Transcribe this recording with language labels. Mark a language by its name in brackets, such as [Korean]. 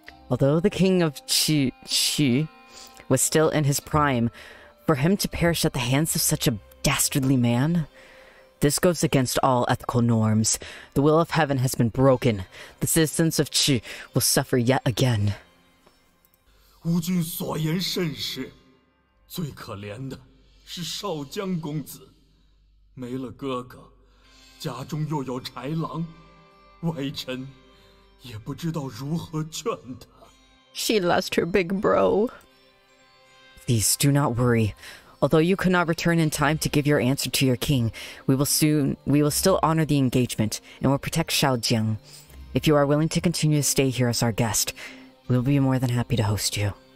[English] Although the King of Qi was still in his prime, for him to perish at the hands of such a dastardly man? This goes against all ethical norms. The will of heaven has been broken. The citizens of Qi will suffer yet again. [Chinese] 吾君所言甚是，最可怜的是少将公子，没了哥哥，家中又有豺狼，微臣也不知道如何劝他。 [English] She lost her big bro. Please do not worry. Although you could not return in time to give your answer to your king, we will still honor the engagement and will protect Xiao Jiang. If you are willing to continue to stay here as our guest, we will be more than happy to host you.